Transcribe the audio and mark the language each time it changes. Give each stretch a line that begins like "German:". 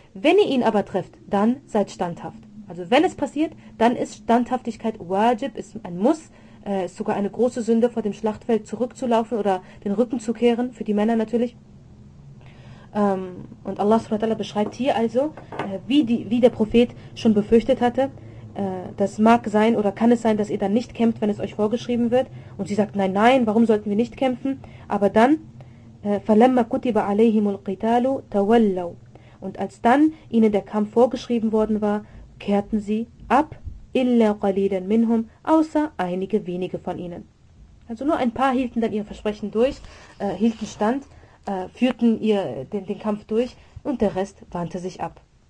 German: Wenn ihr ihn aber trefft, dann seid standhaft. Also wenn es passiert, dann ist Standhaftigkeit wajib, ist ein Muss, ist sogar eine große Sünde, vor dem Schlachtfeld zurückzulaufen oder den Rücken zu kehren, für die Männer natürlich. Und Allah subhanahu wa ta'ala beschreibt hier also, wie der Prophet schon befürchtet hatte, das mag sein oder kann es sein, dass ihr dann nicht kämpft, wenn es euch vorgeschrieben wird. Und sie sagt, nein, nein, warum sollten wir nicht kämpfen? Aber dann,
Arabic: فَلَمَّا كُتِبَ عَلَيْهِمُ الْقِتَالُ تَوَلَّوْا.
German: Und als dann ihnen der Kampf vorgeschrieben worden war, kehrten sie ab,
Arabic: إِلَّا قَلِيلًا مِنْهُمْ,
German: außer einige wenige von ihnen. Also nur ein paar hielten dann ihr Versprechen durch, hielten Stand, führten ihr den Kampf durch und der Rest wandte sich ab.